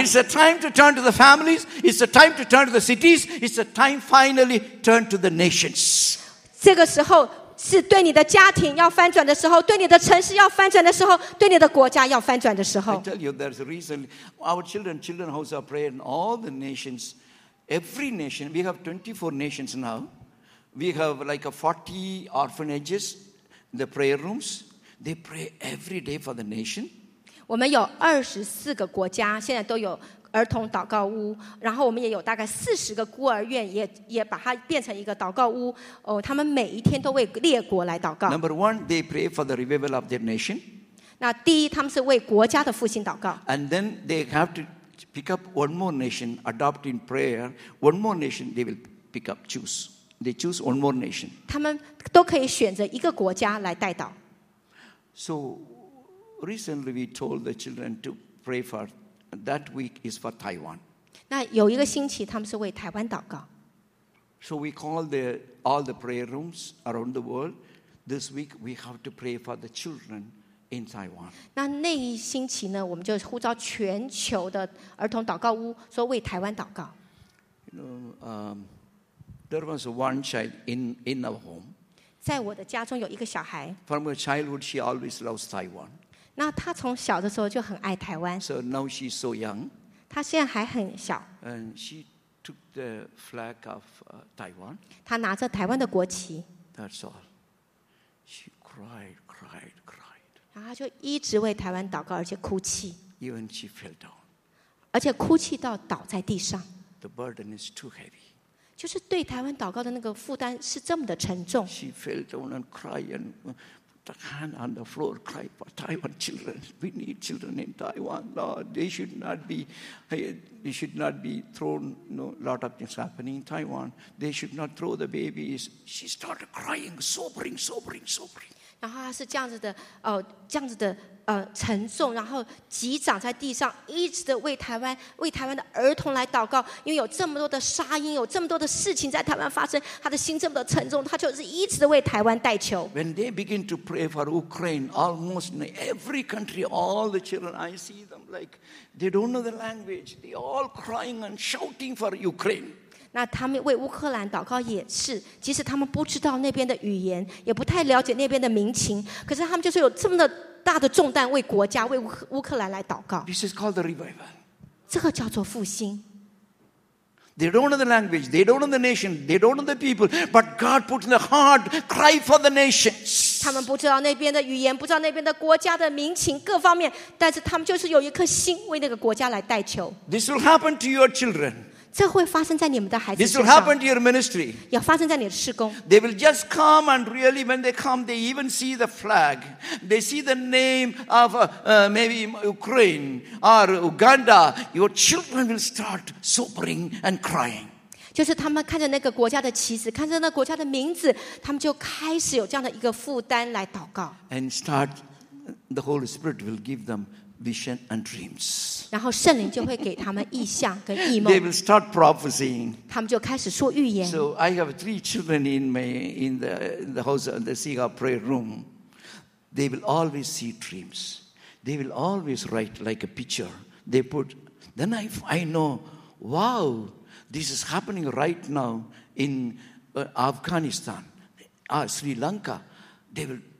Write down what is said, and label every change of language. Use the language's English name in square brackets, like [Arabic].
[English] It's a time to turn to the families. It's a time to turn to the cities. It's a time finally turn to the nations. [Chinese] 这个时候。是对你的家庭要翻转的时候，对你的城市要翻转的时候，对你的国家要翻转的时候。 [English] I tell you, there's a reason. Our children house of prayer in all the nations, every nation, we have 24 nations now. We have like 40 orphanages, the prayer rooms. They pray every day for the nation. [Chinese] 我们有24个国家，现在都有儿童祷告屋，然后我们也有大概40个孤儿院，也把它变成一个祷告屋。哦，他们每一天都为列国来祷告。 [English] Number one, they pray for the revival of their nation. [Chinese] 那第一，他们是为国家的复兴祷告。 [English] And then they have to pick up one more nation, adopt in prayer. One more nation they will pick up, choose. They choose one more nation. [Chinese] 他们都可以选择一个国家来代祷。 [English] So Recently, we told the children to pray for that week is for Taiwan. [Chinese] 那有一个星期，他们是为台湾祷告。 [English] So we call all the prayer rooms around the world. This week, we have to pray for the children in Taiwan. [Chinese] 那那一星期呢，我们就呼召全球的儿童祷告屋，说为台湾祷告。 [English] You know, there was one child in our home. [Chinese] 在我的家中有一个小孩。 [English] From her childhood, she always loves Taiwan. [Chinese] 那她从小的时候就很爱台湾。 [English] So now she's so young. [Chinese] 她现在还很小。 [English] And she took the flag of Taiwan. [Chinese] 她拿着台湾的国旗。 [English] That's all. She cried, cried, cried. [Chinese] 然后她就一直为台湾祷告，而且哭泣。 [English] Even she fell down. [Chinese] 而且哭泣到倒在地上。 [English] The burden is too heavy. [Chinese] 就是对台湾祷告的那个负担是这么的沉重。 [English] She fell down and cried and put the hand on the floor, cried for Taiwan children. We need children in Taiwan, Lord. They should not be thrown. No, lot of things happening in Taiwan. They should not throw the babies. She started crying, sobering, sobering, sobering. [Chinese] 然后她是这样子的，这样子的。沉重，然后击掌在地上，一直的为台湾的儿童来祷告，因为有这么多的杀婴，有这么多的事情在台湾发生，他的心这么的沉重，他就是一直的为台湾代求。 [English] When they begin to pray for Ukraine, almost in every country, all the children, I see them like they don't know the language, they all crying and shouting for Ukraine. [Chinese] 那他们为乌克兰祷告也是，即使他们不知道那边的语言，也不太了解那边的民情，可是他们就是有这么的。大的重担为国家为乌克兰来祷告。 [English] This is called the revival. [Chinese] 这个叫做复兴。 [English] They don't know the language, they don't know the nation, they don't know the people, but God put in the heart cry for the nations. [Chinese] 他们不知道那边的语言，不知道那边的国家的民情各方面，但是他们就是有一颗心为那个国家来代求。 [English] This will happen to your children. [Chinese] 这会发生在你们的孩子身上。 [English] This will happen to your ministry. [Chinese] 要发生在你的事工。 [English] They will just come and really when they come, they even see the flag. They see the name of maybe Ukraine or Uganda. Your children will start sobering and crying. [Chinese] 就是他们看着那个国家的旗子，看着那个国家的名字，他们就开始有这样的一个负担来祷告。 [English] And start, the Holy Spirit will give them. Vision and dreams. [Chinese] 然后圣灵就会给他们意象跟异梦。 [English] They will start prophesying. [Chinese] 他们就开始说预言。 [English] So I have three children in the house in the Siga prayer room. They will always see dreams. They will always write like a picture. They put. Then I know. Wow, this is happening right now in Afghanistan, Sri Lanka. They will.